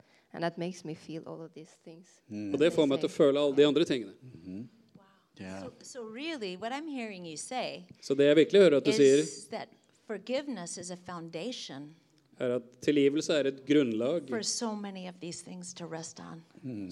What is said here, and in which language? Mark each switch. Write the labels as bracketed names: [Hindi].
[English] And that makes me feel all of these things. [Swedish] Och det får mig att känna alla de andra tingena. [English] Wow. Yeah. So really what I'm hearing you say. [Swedish] Så det jag verkligen hör att du säger [English] is that forgiveness is a foundation. [Swedish] Är att tillgivelse är ett grundlag [English] for so many of these things to rest on.